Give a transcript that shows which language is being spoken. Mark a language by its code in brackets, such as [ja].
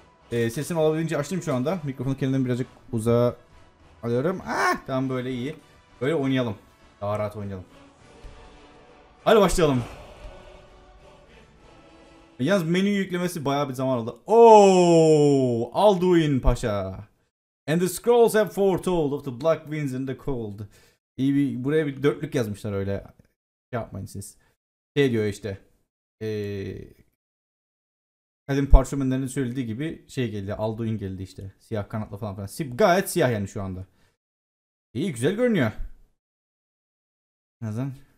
[tr] Sesim alabildiğince açtım şu anda. Mikrofonu kendim birazcık uzağa alıyorum. Tam böyle iyi. Böyle oynayalım. Daha rahat oynayalım. Hadi başlayalım. Yalnız menü yüklemesi bayağı bir zaman aldı. Oh, Alduin Paşa. [en] And the scrolls have foretold of the black winds and the cold. [tr] İyi bir, buraya bir dörtlük yazmışlar öyle. Şey yapmayın siz. Şey diyor işte. Kadın parşömenlerinin söylediği gibi şey geldi. Alduin geldi işte. Siyah kanatlı falan filan. Gayet siyah yani şu anda. İyi, güzel görünüyor. En azından.